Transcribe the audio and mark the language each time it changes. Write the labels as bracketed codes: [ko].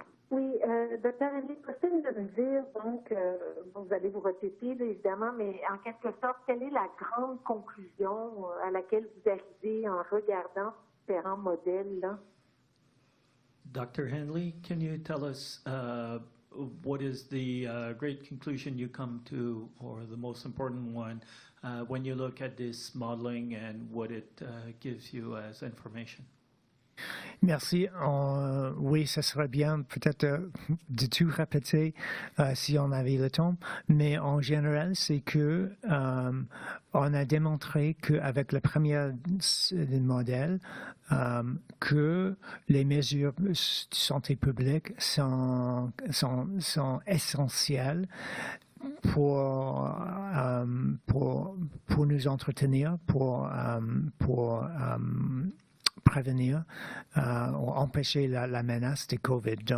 [fr] Oui, docteur Hanley, Christine vient de me dire, donc, vous allez vous répéter, évidemment, mais en quelque sorte, quelle est la grande conclusion à laquelle vous arrivez en regardant différents modèles, là? [en] Dr. Hanley, can you tell us what is the great conclusion you come to, or the most important one, when you look at this modeling and what it gives you as information? [fr] Merci. Oui, ce serait bien peut-être de tout répéter si on avait le temps, mais en général, c'est que on a démontré qu'avec le premier modèle, que les mesures de santé publique sont essentielles pour nous entretenir, pour prévenir ou empêcher la menace de COVID.